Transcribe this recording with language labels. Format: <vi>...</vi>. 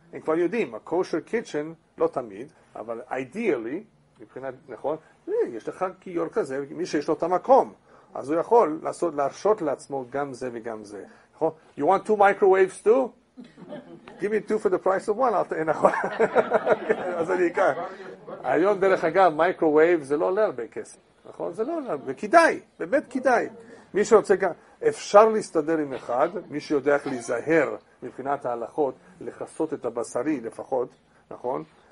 <he>הם כבר יודעים,</he> <en>a kosher kitchen,</en> <he>לא תמיד, אבל ideally, מבחינת, נכון, יש לך כיור כזה, מי שיש לו את המקום, אז הוא יכול לעשות, להרשות לעצמו גם זה וגם זה. נכון?</he> <en>You want two microwaves too? Give me two for the price of one.</en> <he>נכון. אז אני אקח. היום, דרך אגב, microwave זה לא עולה הרבה כסף. נכון? זה לא עולה, וכדאי, באמת כדאי. מי שרוצה גם, אפשר להסתדר עם אחד, מי שיודע איך להיזהר מבחינת ההלכות, לחסות את הבשרי לפחות, נכון?</he>